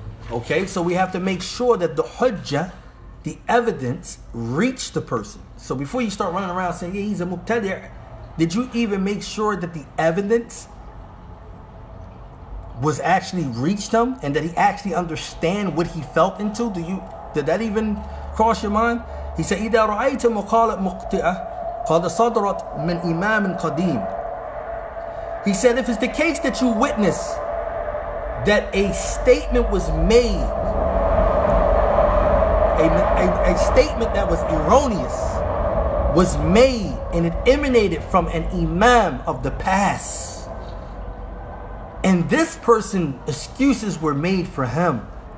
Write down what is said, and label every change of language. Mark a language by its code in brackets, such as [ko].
[en] Okay, so we have to make sure that the hujjah, the evidence, reach the person. So before you start running around saying, yeah, he's a mubtadi', did you even make sure that the evidence was actually reached him and that he actually understand what he felt into? Do you, did that even cross your mind? He said, [ar] إِذَا رَأَيْتَ مُقَالَتْ مُقْتِعَةً قَدْ صَدْرَتْ مِنْ إِمَامٍ قَدِيمٍ. [en] He said, if it's the case that you witness that a statement was made, a statement that was erroneous was made and it emanated from an imam of the past, and this person, excuses were made for him.